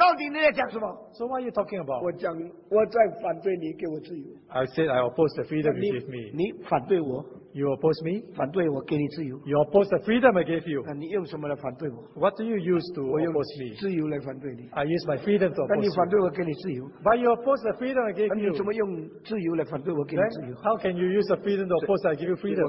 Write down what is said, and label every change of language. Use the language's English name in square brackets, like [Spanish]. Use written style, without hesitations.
[English] So what are you talking about? I said I oppose the freedom you give me. You oppose me? [Chinese] 反对我给你自由。 [English] You oppose the freedom I gave you. [Chinese] 那你用什么来反对我？ [English] What do you use to oppose me? [Chinese] 自由来反对你。 [English] I use my freedom to oppose you. [Chinese] 那你反对我给你自由。 [English] But you oppose the freedom I gave you. [Chinese] 那你怎么用自由来反对我给你自由？ [English] How can you use the freedom to oppose I give you freedom?